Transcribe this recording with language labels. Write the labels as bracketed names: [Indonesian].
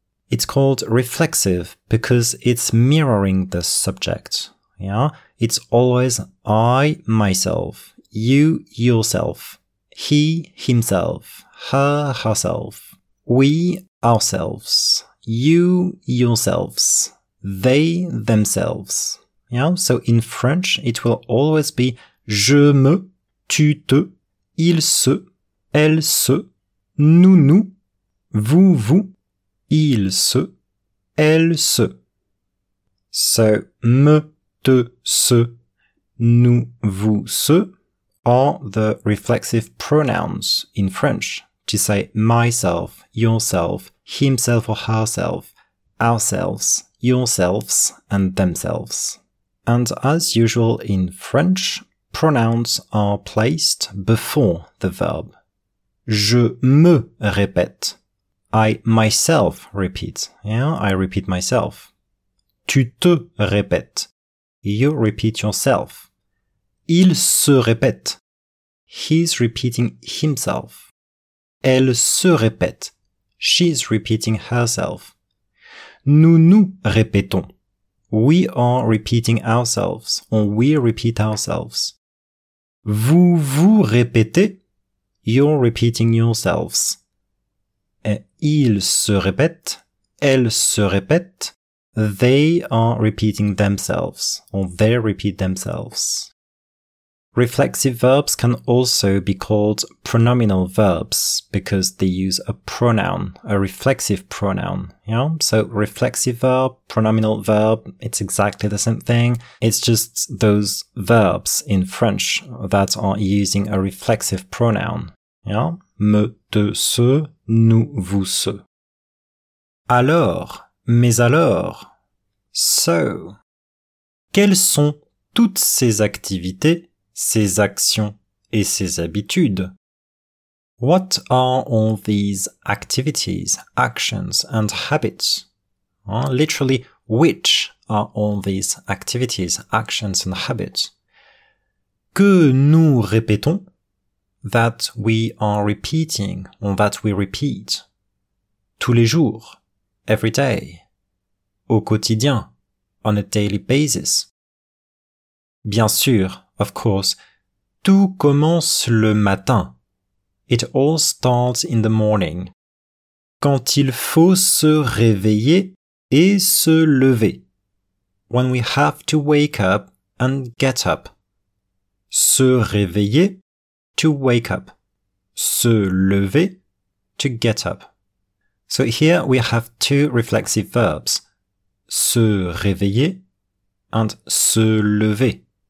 [English] It's called reflexive because it's mirroring the subject. Yeah? It's always I, myself, you, yourself, he, himself, her, herself, we, ourselves, you, yourselves, they, themselves. Yeah, so in French, it will always be [French] je me, tu te, il se, elle se, [English] nous nous, vous vous, il se, elle se. So, me, te, se, nous vous se are the reflexive pronouns in French to say myself, yourself, himself or herself, ourselves, yourselves and themselves. And as usual in French, pronouns are placed before the verb. [French] Je me répète. [English] I myself repeat. Yeah, I repeat myself. [French] Tu te répètes. [English] You repeat yourself. [French] Il se répète. [English] He's repeating himself. [French] Elle se répète. [English] She's repeating herself. [French] Nous nous répétons. [English] We are repeating ourselves, or we repeat ourselves. [French] Vous vous répétez, [English] you're repeating yourselves. [French] Et ils se répètent, elles se répètent, [English] they are repeating themselves, or they repeat themselves. Reflexive verbs can also be called pronominal verbs because they use a pronoun, a reflexive pronoun. Yeah? So reflexive verb, pronominal verb, it's exactly the same thing. It's just those verbs in French that are using a reflexive pronoun. Yeah? Me, te, se, nous, vous, se. [French] Alors, mais alors. So, quelles sont toutes ces activités, ses actions et ses habitudes? [English] What are all these activities, actions and habits? Literally, which are all these activities, actions and habits? [French] Que nous répétons? [English] That we are repeating, or that we repeat. [French] Tous les jours, [English] every day. [French] Au quotidien, [English] on a daily basis. [French] Bien sûr, [English] of course, [French] tout commence le matin. [English] It all starts in the morning. [French] Quand il faut se réveiller et se lever. [English] When we have to wake up and get up. [French] Se réveiller, [English] to wake up. [French] Se lever, [English] to get up. So here we have two reflexive verbs. [French] se réveiller and se lever.